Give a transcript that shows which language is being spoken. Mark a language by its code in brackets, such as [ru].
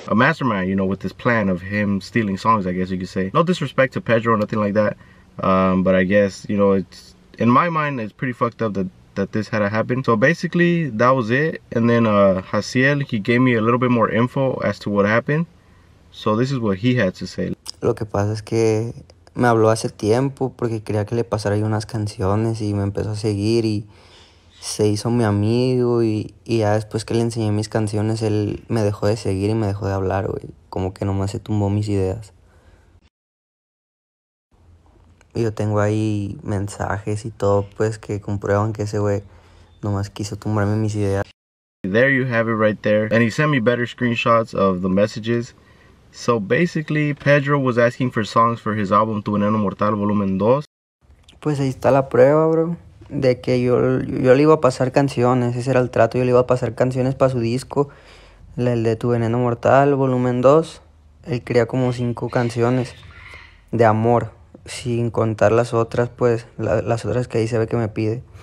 [en] A mastermind, you know, with this plan of him stealing songs, I guess you could say. No disrespect to Pedro or nothing like that. But I guess, you know, it's, in my mind, it's pretty fucked up that this had to happen. So basically, that was it. And then Jaciel, he gave me a little bit more info as to what happened. So this is what he had to say. [es] Lo que pasa es que me habló hace tiempo porque quería que le pasara ahí unas canciones y me empezó a seguir y se hizo mi amigo y ya después que le enseñé mis canciones, él me dejó de seguir y me dejó de hablar, güey. Como que nomás se tumbó mis ideas. Y yo tengo ahí mensajes y todo, pues, que comprueban que ese güey nomás quiso tumbarme mis ideas. [en] There you have it right there. And he sent me better screenshots of the messages. So basically, Pedro was asking for songs for his album Tu Veneno Mortal Volumen 2. [es] Pues ahí está la prueba, bro, de que yo le iba a pasar canciones, ese era el trato, yo le iba a pasar canciones para su disco, el de Tu Veneno Mortal Volumen 2. Él quería como 5 canciones de amor, sin contar las otras, pues, las otras que ahí se ve que me pide.